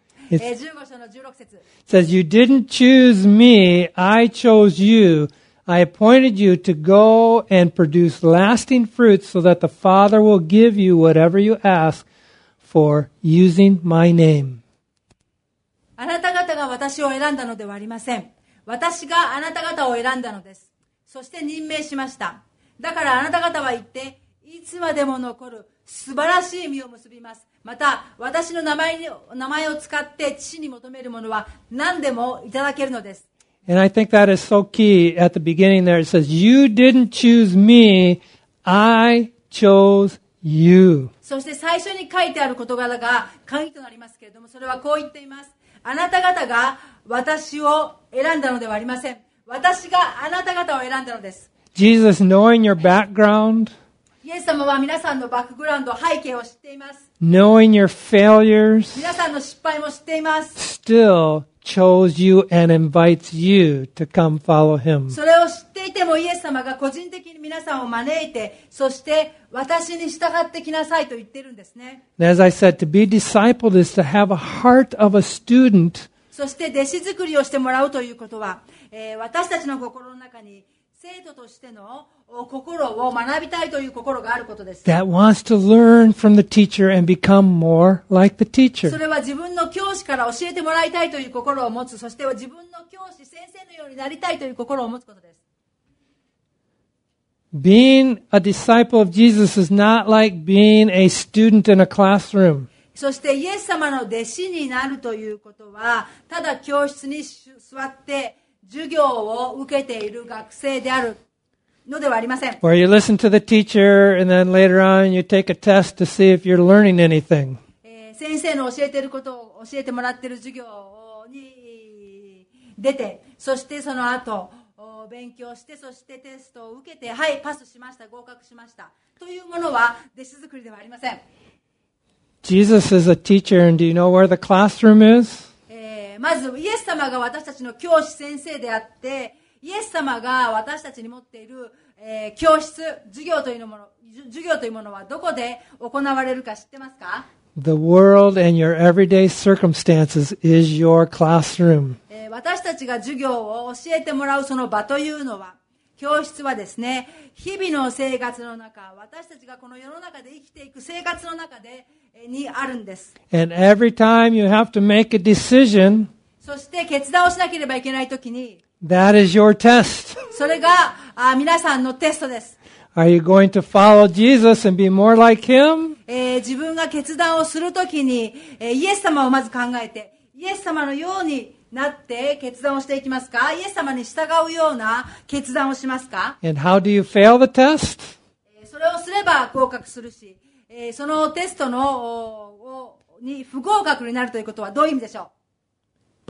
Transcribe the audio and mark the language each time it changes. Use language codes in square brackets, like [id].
[en] It says, you didn't choose me, I chose you. I appointed you to go and produce lasting fruit so that the Father will give you whatever you ask for using my name. [ja] あなた方が私を選んだのではありません。私があなた方を選んだのです。そして任命しました。だからあなた方は言って、いつまでも残る素晴らしい実を結びます。また私の名前を使って父に求めるものは何でもいただけるのです。 [en] And I think that is so key at the beginning there. It says, you didn't choose me, I chose you. [ja] そして最初に書いてある事柄が鍵となりますけれども、それはこう言っています。あなた方が私を選んだのではありません。私があなた方を選んだのです。 [en] Jesus, knowing your background, [ja] イエス様は皆さんのバックグラウンド、背景を知っています。 [en] Knowing your failures, [ja] 皆さんの失敗も知っています。 [en] Still,chose you and invites you to come follow him. [ja] それを知っていてもイエス様が個人的に皆さんを招いて、そして私に従ってきなさいと言ってるんですね。 [en] As I said, to be discipled is to have a heart of a student. [ja] そして弟子作りをしてもらうということは、私たちの心の中に生徒としての心を学びたいという心があることです。 [en] That wants to learn from the teacher and become more like the teacher. [ja] それは自分の教師から教えてもらいたいという心を持つ、そして自分の教師、先生のようになりたいという心を持つことです。 [en] Being a disciple of Jesus is not like being a student in a classroom. [ja] そしてイエス様の弟子になるということは、ただ教室に座って授業を受けている学生であるのではありません。 [en] Where you listen to the teacher and then later on you take a test to see if you're learning anything. [ja] 先生の教えていることを教えてもらっている授業に出て、そしてその後勉強して、そしてテストを受けて、はい、パスしました、合格しましたというものは弟子作りではありません。 [en] Jesus is a teacher and do you know where the classroom is? [ja] まずイエス様が私たちの教師先生であって、イエス様が私たちに持っている、教室授業というのもの、授業というものはどこで行われるか知ってますか？ [en] The world and your everyday circumstances is your classroom. [ja] 私たちが授業を教えてもらうその場というのは、教室はですね、日々の生活の中、私たちがこの世の中で生きていく生活の中でにあるんです。 [en] And every time you have to make a decision, [ja] そして決断をしなければいけないときに、 [en] That is your test. [ja] それが皆さんのテストです。 [en] Are you going to follow Jesus and be more like him? [ja] 自分が決断をするときに、イエス様をまず考えて、イエス様のようになって決断をしていきますか？イエス様に従うような決断をしますか？ [en] And how do you fail the test? [ja] それをすれば合格するし、そのテストのに不合格になるということはどういう意味でしょう？